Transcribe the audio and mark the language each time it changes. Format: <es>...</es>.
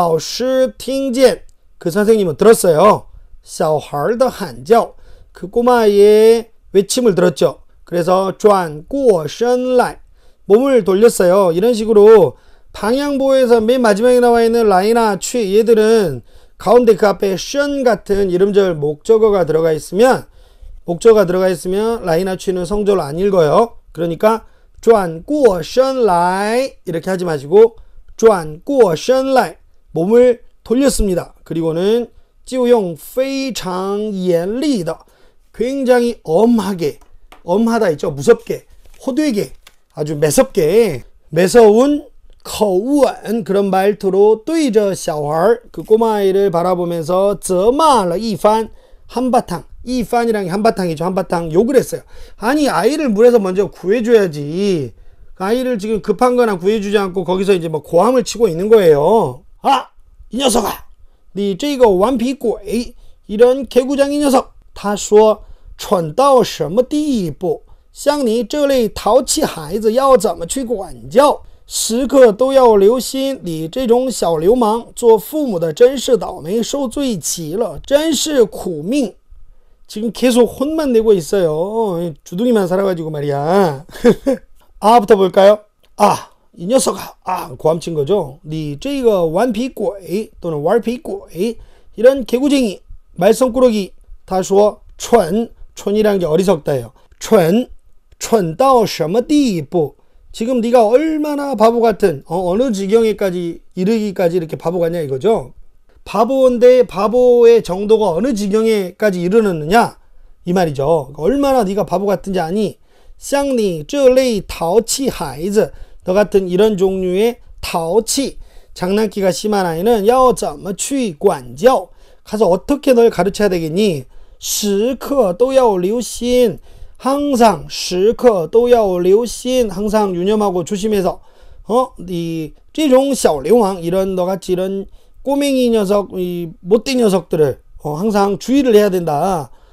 <zh>那位老师听见小孩的喊叫，转过身来，就用非常严厉的口吻对着小孩责骂了一番。那位老师听见</zh> <ko>그 선생님은 들었어요.</ko> <zh>小孩的喊叫</zh> <ko>그 꼬마의 외침을 들었죠. 그래서</ko> <zh>转过身来</zh> <ko>몸을 돌렸어요. 이런 식으로 방향보에서 맨 마지막에 나와 있는 라이나 취 얘들은 가운데 그 앞에 션 같은 이름절 목적어가 들어가 있으면 목적어가 들어가 있으면 라이나 취는 성절로 안 읽어요. 그러니까</ko> <zh>转过身来</zh> <ko>이렇게 하지 마시고 转过身来 몸을 돌렸습니다. 그리고는</ko> <zh>就用非常严厉的</zh> <ko>굉장히 엄하게 엄하다 있죠. 무섭게 호되게 아주 매섭게 매서운 口吻 그런 말투로</ko> <zh>对着 小孩</zh> <ko>그 꼬마아이를 바라보면서</ko> <zh>责骂了一番</zh> <ko>한바탕 이番이랑 한바탕이죠 한바탕 욕을 했어요 아니 아이를 물에서 먼저 구해줘야지 아이를 지금 급한 거나 구해주지 않고 거기서 이제 뭐 고함을 치고 있는 거예요 아! 이 녀석아!</ko> <zh>니 这个 완피鬼</zh> <ko>이런 개구쟁이 녀석</ko> <zh>他说蠢到什么地步像你这类淘气孩子要怎么去管教 时刻都要留心，你这种小流氓，做父母的真是倒霉，受罪极了，真是苦命。</zh> <ko>지금 계속 혼만 내고 있어요. 주둥이만 살아가지고 말이야. 아부터 볼까요? 아, 이 녀석아. 아, 고함친 거죠?</ko> <zh>你这个顽皮鬼</zh> <ko>또는 왈피鬼 이런 개구쟁이, 말썽꾸러기. 他说蠢，蠢이란 게 어리석다예요.</ko> <zh>蠢，蠢到什么地步？</zh> <ko>지금 네가 얼마나 바보 같은 어느 지경에까지 이르기까지 이렇게 바보 같냐 이거죠. 바보인데 바보의 정도가 어느 지경에까지 이르렀느냐 이 말이죠. 얼마나 네가 바보 같은지 아니?</ko> <zh>像你这类淘气孩子,</zh> <ko>너 같은 이런 종류의 淘气, 장난기가 심한 아이는</ko> <zh>要怎么去管教?</zh> <ko>가서 어떻게 널 가르쳐야 되겠니?</ko> <zh>时刻都要留心.</zh> <ko>항상</ko> <zh>时刻都要留心</zh> <ko>항상 유념하고 조심해서</ko> <zh>你这种小流氓</zh> <ko>이런 너같이 이런 꼬맹이 녀석 이 못된 녀석들을 항상 주의를 해야 된다</ko>